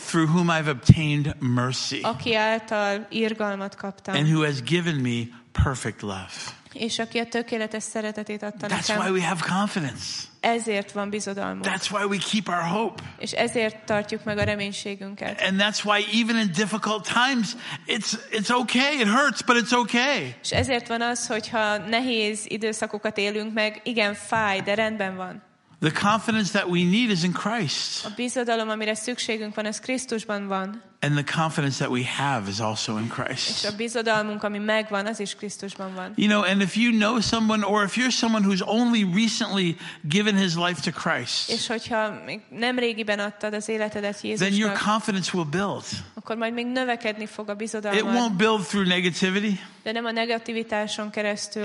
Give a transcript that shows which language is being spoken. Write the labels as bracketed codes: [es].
[en] Through whom I've obtained mercy. [hu] Aki által irgalmat kaptam. [en] And who has given me perfect love. [hu] És aki a tökéletes szeretetét adta nekem. [en] That's why we have confidence. [hu] Ezért van bizodalmunk. [en] That's why we keep our hope. [hu] És ezért tartjuk meg a reménységünket. [en] And that's why even in difficult times it's okay. It hurts, but it's okay. [hu] És ezért van az, hogyha nehéz időszakokat élünk meg, igen, fáj, de rendben van. [en] The confidence that we need is in Christ. [hu] A bizodalom, amire szükségünk van, az Krisztusban van. [en] And the confidence that we have is also in Christ. [hu] És a bizodalmunk, ami megvan, az is Krisztusban van. [en] You know, and if you know someone, or if you're someone who's only recently given his life to Christ, [hu] és hogyha még nemrégiben adtad az életedet Jézusnak, [en] then your confidence will build. [hu] Akkor majd még növekedni fog a bizodalmad. [en] It won't build through negativity. [hu] De nem a negativitáson keresztül.